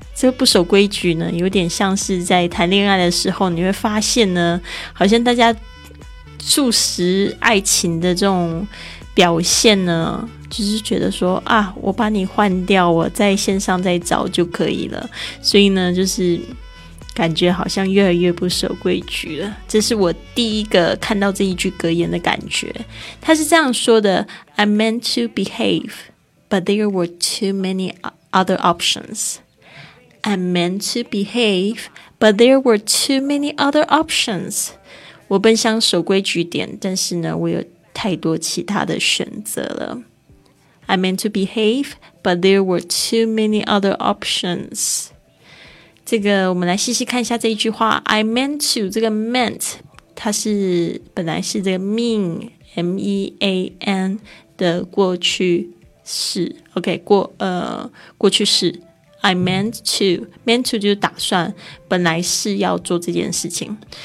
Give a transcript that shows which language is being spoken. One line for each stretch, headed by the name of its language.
Chinese: 这个不守规矩呢，有点像是在谈恋爱的时候你会发现呢，好像大家注视爱情的这种表现呢，就是觉得说啊，我把你换掉，我在线上再找就可以了。所以呢就是感觉好像越来越不守规矩了。这是我第一个看到这一句格言的感觉。他是这样说的，
English: I meant to behave, but there were too many other options. I meant to behave, but there were too many other options.
Chinese: 我本想守规矩点，但是呢我有太多其他的选择了。
English: I meant to behave, but there were too many other options.
Chinese: 这个我们来细细看一下这一句话。
English: I meant to,
Chinese: 这个 meant, 它是本来是这个 mean, M-E-A-N 的过去式。 OK, 过去式。
English: I meant to, meant to
Chinese: 就是打算，本来是要做这件事情。